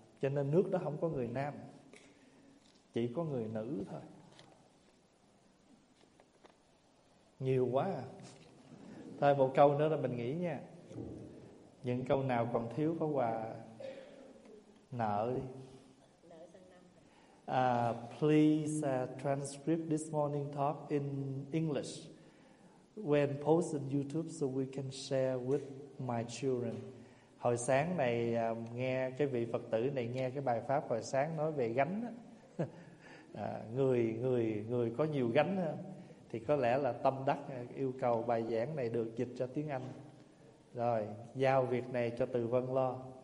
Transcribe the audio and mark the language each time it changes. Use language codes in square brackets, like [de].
[vi] Cho nên nước đó không có người nam, chỉ có người nữ thôi. Nhiều quá à. Thôi một câu nữa là mình nghĩ nha. Những câu nào còn thiếu có quà nợ đi. [en] Please transcribe this morning talk in English when post on YouTube so we can share with my children. [vi] Hồi sáng này nghe cái vị Phật tử này nghe cái bài pháp hồi sáng nói về gánh á. người có nhiều gánh á, thì có lẽ là tâm đắc yêu cầu bài giảng này được dịch cho tiếng Anh. Rồi, giao việc này cho Từ Vân lo.